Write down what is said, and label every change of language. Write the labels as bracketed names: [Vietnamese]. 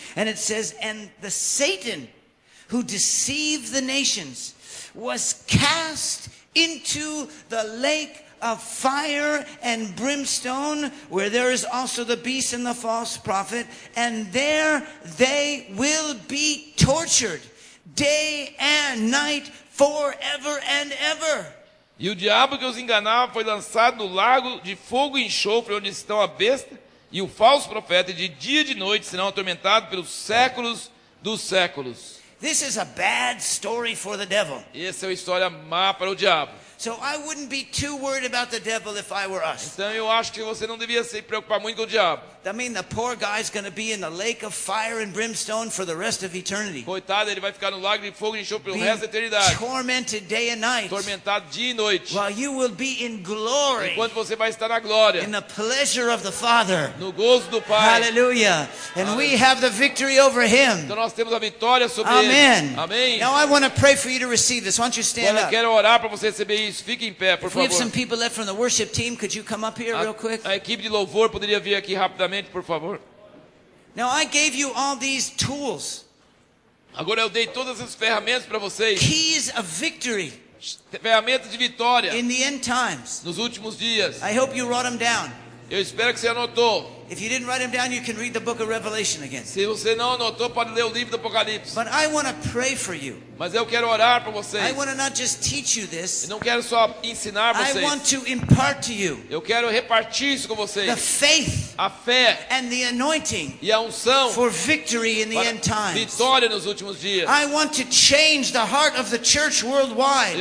[English] And it says, and the Satan who deceived the nations was cast into the lake of fire and brimstone, where there is also the beast and the false prophet, and there they will be tortured day and night forever and ever. [Portuguese] E o diabo que os enganava foi lançado no lago de fogo e enxofre, onde estão a besta e o falso profeta, e de dia e de noite serão atormentados pelos séculos dos séculos. [English] This is a bad story for the devil. [Portuguese] Essa é uma história má para o diabo. [English] So I wouldn't be too worried about the devil if I were us. [Portuguese] Então eu acho que você não devia se preocupar muito com o diabo. [English] I mean, the poor guy's going to be in the lake of fire and brimstone for the rest of eternity. [Portuguese] Coitado, ele vai ficar no lago de fogo e enxofre pelo resto da eternidade. [English] Tormented day and night. [Portuguese] Tormentado dia e noite. [English] While you will be in glory. [Portuguese] Enquanto você vai estar na glória. [English] In the pleasure of the Father. [Portuguese] No gozo do Pai. [English] Hallelujah. And we have the victory over him. [Portuguese] Então nós temos a vitória sobre [English] Amen. [Portuguese] Ele. Amém. [English] Now I want to pray for you to receive this. Why don't you stand [Portuguese] Agora [English] up? [Portuguese] Eu quero orar para você receber isso. Fique em pé, por [English] If [Portuguese] favor. [English] We have some people left from the worship team. Could you come up here real quick? [Portuguese] A equipe de louvor poderia vir aqui rapidamente. Por favor. [English] Now I gave you all these tools. [Portuguese] Agora eu dei todas as ferramentas para vocês. [English] Keys of victory. [Portuguese] Ferramentas de vitória. [English] In the end times. [Portuguese] Nos últimos dias. [English] I hope you wrote them down. [Portuguese] Eu espero que você anotou. [English] If you didn't write them down, you can read the book of Revelation again. [Portuguese] Se você não anotou, pode ler o livro do Apocalipse. [English] But I want to pray for you. [Portuguese] Mas eu quero orar para vocês. [English] I want to not just teach you this. [Portuguese] Eu não quero só ensinar vocês. [English] I want to impart to you. [Portuguese] Eu quero repartir isso com vocês. [English] The faith. [Portuguese] A fé. [English] And the anointing. [Portuguese] E a unção. [English] For victory in the end times. [Portuguese] Vitória nos últimos dias. [English] I want to change the heart of the church worldwide.